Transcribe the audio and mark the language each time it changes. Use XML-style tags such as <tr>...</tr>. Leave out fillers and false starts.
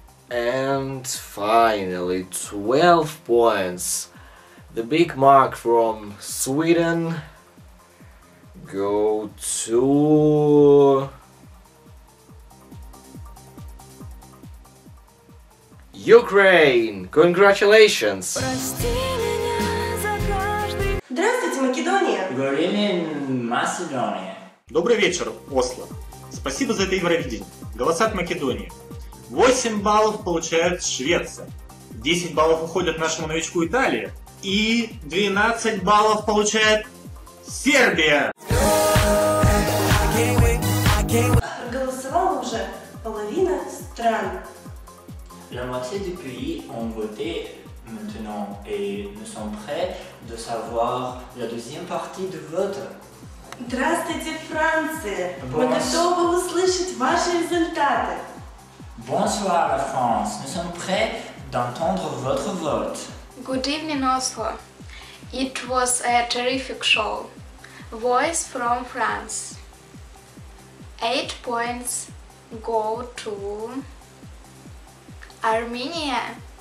<en>And finally 12 points. The big mark from Sweden go to Ukraine. Congratulations.</en> <ru>Здравствуйте, Македония.</ru> <en>Good evening, Macedonia.</en> <ru>Добрый вечер, Осло. Спасибо за это Евровидение. Голоса от Македонии. 8 баллов получает Швеция. 10 баллов уходят нашему новичку Италии. И 12 баллов получает Сербия. Проголосовала уже половина стран.</ru> <fr>La moitié des pays ont voté maintenant et nous sommes prêts de savoir la deuxième partie de vote.</fr> <ru>Здравствуйте, Франция! Мы готовы услышать ваши результаты.</ru> <fr>Bonsoir, France. Nous sommes prêts d'entendre votre vote.</fr> <en>Good evening, Oslo. It was a terrific show. Voice from France. 8 points go to Armenia.</en>